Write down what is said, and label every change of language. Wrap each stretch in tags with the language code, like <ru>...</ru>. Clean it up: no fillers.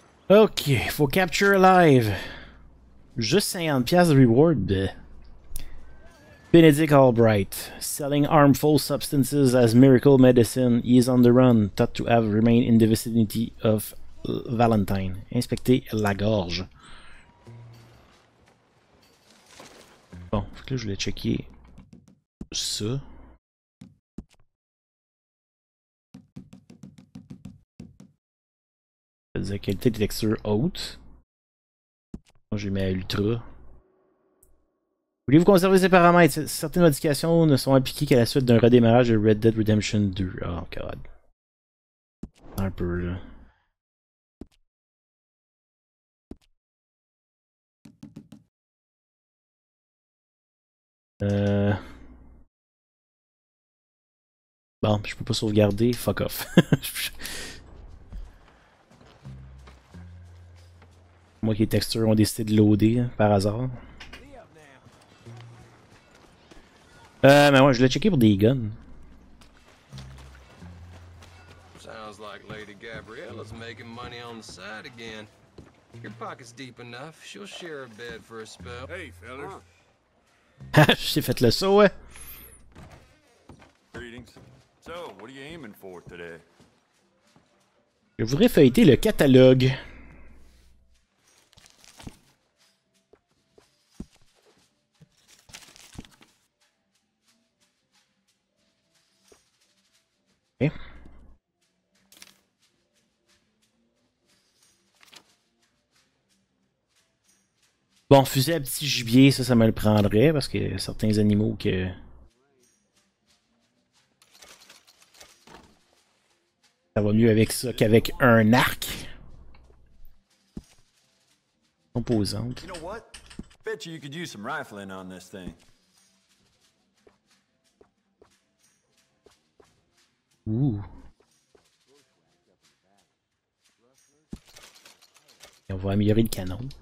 <fr>Okay, faut</fr> <en>capture alive.</en> <fr>Juste 50 piastres de reward.</fr> <en>Benedict Albright, selling harmful substances as miracle medicine. He is on the run, thought to have remained in the vicinity of Valentine.</en> <fr>Inspecter la gorge. Bon, faut que là je voulais checker ça. La qualité de texture haute. Moi j'ai mis à ultra. Voulez-vous conserver ces paramètres? Certaines modifications ne sont appliquées qu'à la suite d'un redémarrage de Red Dead Redemption 2. Oh god. Un peu là. Bon, je peux pas sauvegarder.</fr> <en>Fuck off.</en> <fr>Moi qui les textures ont décidé de loader par hasard. Mais ouais, je l'ai checké pour des guns.</fr> <en>Sounds like Lady Gabriella's making money on the side again. Your pocket's deep enough, she'll share a bed for a spell. Hey, fellas.</en> <fr>Ha, j'ai fait le saut, ouais.</fr> <en>Greetings. So, what are you aiming for today?</en> <fr>Je voudrais feuilleter le catalogue. Bon, fusil à petit gibier, ça, ça me le prendrait parce que certains animaux que. Ça va mieux avec ça qu'avec un arc. Composante.</fr> <en>You know what? Bet you could use some rifling on this thing.</en> <fr>Ouh. Et on va améliorer le canon.</fr>